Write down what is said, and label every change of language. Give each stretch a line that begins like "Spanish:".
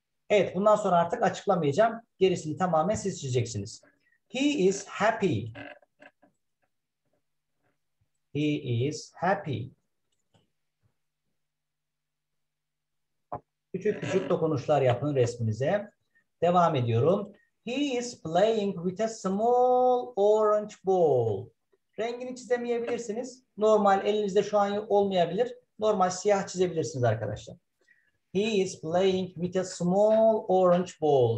Turkish: Evet, bundan sonra artık açıklamayacağım. Gerisini tamamen siz çizeceksiniz.
English: He is happy. He is happy.
Turkish: Küçük küçük dokunuşlar yapın resminize. Devam ediyorum.
English: He is playing with a small orange ball.
Turkish: Rengini çizemeyebilirsiniz. Normal elinizde şu an olmayabilir. Normal siyah çizebilirsiniz arkadaşlar.
English: He is playing with a small orange ball.